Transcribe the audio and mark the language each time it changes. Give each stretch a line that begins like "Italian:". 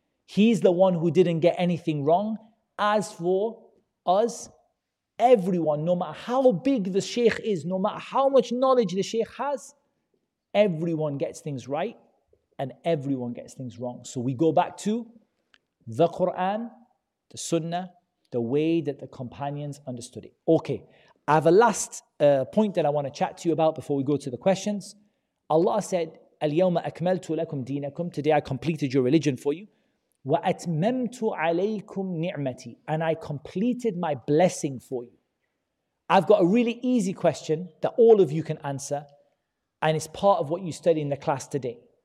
English: He's the one who didn't get anything wrong. As for us, everyone, no matter how big the sheikh is, no matter how much knowledge the sheikh has, everyone gets things right and everyone gets things wrong. So we go back to the Quran, the Sunnah, the way that the companions understood it. Okay, I have a last point that I want to chat to you about before we go to the questions. Allah said,
Arabic: الْيَوْمَ أَكْمَلْتُ لَكُمْ دِينَكُمْ.
English: Today I completed your religion for you.
Arabic: وَأَتْمَمْتُ عَلَيْكُمْ نِعْمَتِي.
English: And I completed my blessing for you. I've got a really easy question that all of you can answer, and it's part of what you study in the class today.